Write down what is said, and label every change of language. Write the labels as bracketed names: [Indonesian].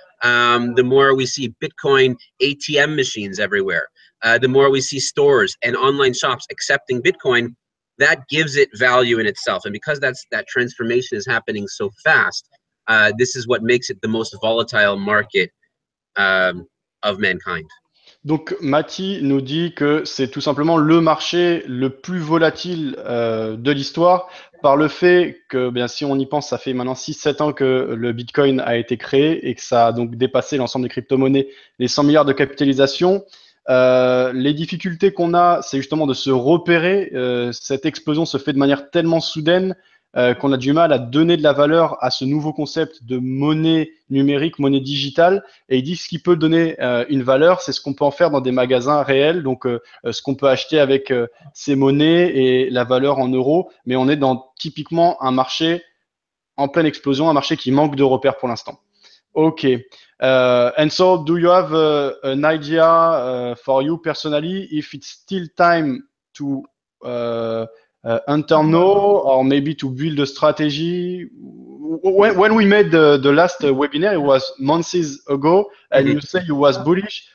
[English] The more we see Bitcoin ATM machines everywhere, the more we see stores and online shops accepting Bitcoin, that gives it value in itself. And because that transformation is happening so fast, this is what makes it the most volatile market of mankind. [French] Donc Mati nous dit que c'est tout simplement le marché le plus volatile de l'histoire par le fait que, bien, si on y pense, ça fait maintenant 6-7 ans que le Bitcoin a été créé et que ça a donc dépassé l'ensemble des crypto-monnaies, les 100 milliards de capitalisation. Les difficultés qu'on a, c'est justement de se repérer. Cette explosion se fait de manière tellement soudaine qu'on a du mal à donner de la valeur à ce nouveau concept de monnaie numérique, monnaie digitale. Et il dit ce qui peut donner une valeur, c'est ce qu'on peut en faire dans des magasins réels, donc ce qu'on peut acheter avec ces monnaies et la valeur en euros. Mais on est dans typiquement un marché en pleine explosion, un marché qui manque de repères pour l'instant. [English] Okay, and so do you have an idea for you personally if it's still time to enter now or maybe to build a strategy? When we made the last webinar, it was months ago, and you say you was bullish.